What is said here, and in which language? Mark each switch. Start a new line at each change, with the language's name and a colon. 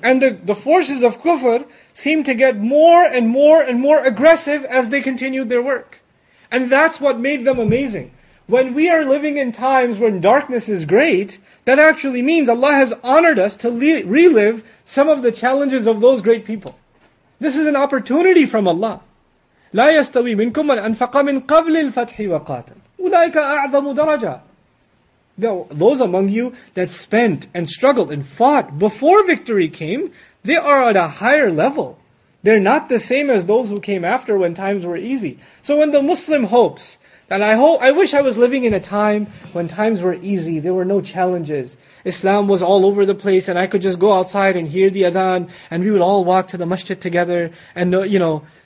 English: And the forces of kufr seemed to get more and more and more aggressive as they continued their work. And that's what made them amazing. When we are living in times when darkness is great, that actually means Allah has honored us to relive some of the challenges of those great people. This is an opportunity from Allah.
Arabic: لا يستوي منكم من أنفق من قبل الفتح وقاتل أولئك أعظم درجة.
English: Those among you that spent and struggled and fought before victory came, they are at a higher level. They're not the same as those who came after when times were easy. So when the Muslim hopes that I wish I was living in a time when times were easy, there were no challenges, Islam was all over the place, and I could just go outside and hear the adhan, and we would all walk to the masjid together, and you know.